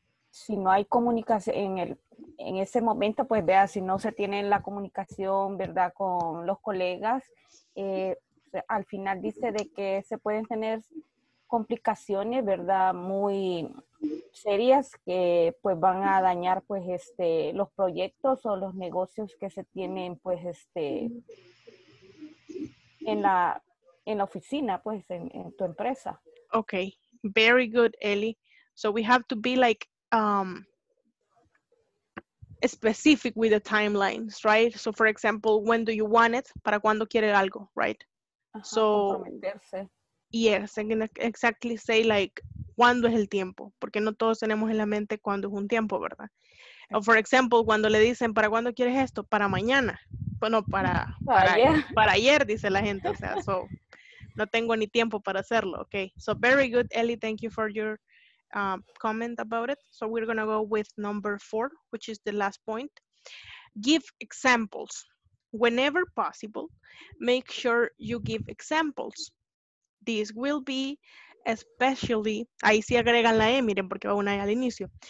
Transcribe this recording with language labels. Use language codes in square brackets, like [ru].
[es] Si no hay comunicación en ese momento, pues vea, si no se tiene la comunicación, ¿verdad?, con los colegas, al final dice de que se pueden tener complicaciones, ¿verdad?, muy serias que pues van a dañar pues los proyectos o los negocios que se tienen pues en la oficina, pues en tu empresa. [en] Okay, very good, Ellie. So we have to be like specific with the timelines, right? So for example, when do you want it? [es] ¿Para cuándo quiere algo, right? So comprometerse. [en] Yes, I'm gonna exactly say like, [es] ¿cuándo es el tiempo? Porque no todos tenemos en la mente cuándo es un tiempo, ¿verdad? Okay. For example, cuando le dicen, ¿para cuándo quieres esto? Para mañana. Bueno, para ayer, dice la gente. O sea, so, no tengo ni tiempo para hacerlo, okay? [en] So, very good, Ellie. Thank you for your comment about it. So, we're gonna go with number four, which is the last point. Give examples. Whenever possible, make sure you give examples. This will be especially, [es] ahí sí agregan la E, miren, porque va una E al inicio.